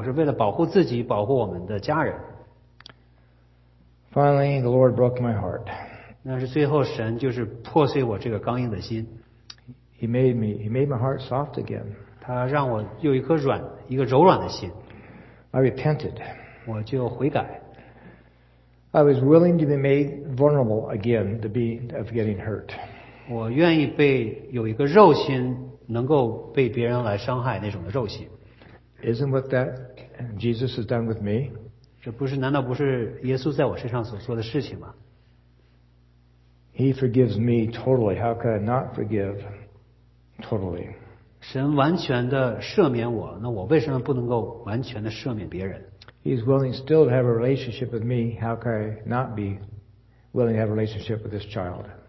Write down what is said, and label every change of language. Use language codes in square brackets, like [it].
[zh] 但是我又和神来有一些的争吵，说我是这个样子，但是我是为了保护自己，保护我们的家人。 [en] Finally, the Lord broke my heart. [zh] 但是最后神就是破碎我这个刚硬的心。 [en] He made my heart soft again. [zh] 他让我有一颗柔软的心。 [en] I repented. [zh] 我就悔改。 [en] I was willing to be made vulnerable again to be of getting hurt. [zh] 我愿意被有一个肉心能够被别人来伤害那种的肉心。 [en] Isn't what that Jesus has done with me? [zh] 这不是难道不是耶稣在我身上所做的事情吗？ [en] He forgives me totally. How could I not forgive totally? [zh] 神完全的赦免我，那我为什么不能够完全的赦免别人？ [en] He's willing still to have a relationship with me. How can I not be willing to have a relationship with this child?